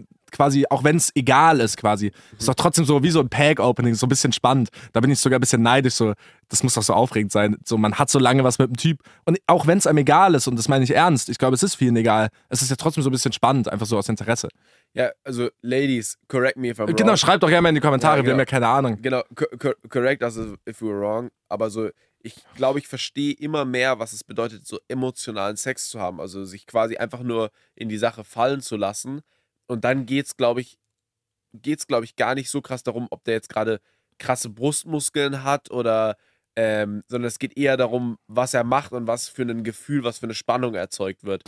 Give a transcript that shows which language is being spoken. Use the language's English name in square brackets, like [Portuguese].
[German] Quasi, auch wenn es egal ist quasi. Ist doch trotzdem so wie so ein Pack-Opening, so ein bisschen spannend. Da bin ich sogar ein bisschen neidisch. So, das muss doch so aufregend sein. So, man hat so lange was mit dem Typ. Und auch wenn es einem egal ist, und das meine ich ernst, ich glaube, es ist vielen egal, es ist ja trotzdem so ein bisschen spannend, einfach so aus Interesse. Ja, also, [English] Ladies, correct me if I'm wrong. [German] Genau, schreibt doch gerne mal in die Kommentare, ja, genau. Wir haben ja keine Ahnung. Genau, [English] correct us if we're wrong. [German] Aber so, ich glaube, ich verstehe immer mehr, was es bedeutet, so emotionalen Sex zu haben. Also, sich quasi einfach nur in die Sache fallen zu lassen. Und dann geht's, glaube ich, gar nicht so krass darum, ob der jetzt gerade krasse Brustmuskeln hat oder, sondern es geht eher darum, was er macht und was für ein Gefühl, was für eine Spannung erzeugt wird.